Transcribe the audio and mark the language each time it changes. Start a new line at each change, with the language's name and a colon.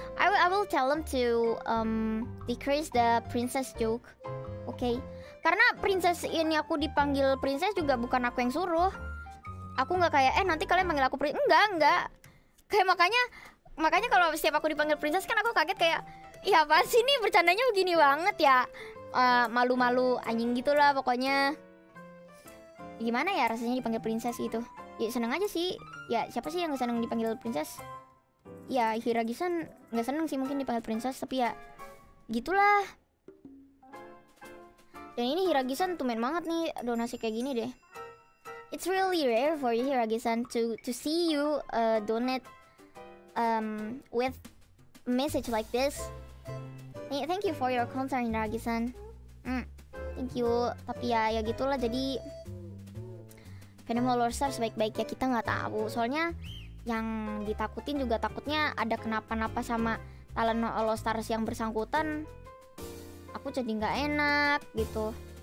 English: I will tell them to decrease the princess joke, okay?
Indonesian: Karena princess ini aku dipanggil princess juga bukan aku yang suruh. Aku nggak kayak nanti kalian manggil aku princess. Enggak. Kayak makanya kalau setiap aku dipanggil princess kan aku kaget kayak, ya apa sih nih bercandanya begini banget ya, malu-malu anjing gitulah pokoknya. Gimana ya rasanya dipanggil princess gitu? Ya seneng aja sih. Ya siapa sih yang nggak seneng dipanggil princess? Ya Hiragisan nggak seneng sih mungkin dipanggil princess tapi ya gitulah. Dan ini Hiragisan tumen banget nih donasi kayak gini deh.
English: It's really rare for you Hiragisan to see you donate with message like this. Thank you for your concern Hiragisan. Thank you.
Indonesian: Tapi ya gitulah jadi fandom Holostars baik-baik ya kita nggak tahu. Soalnya yang ditakutin juga takutnya ada kenapa-napa sama talent Holostars yang bersangkutan. Aku jadi nggak enak gitu.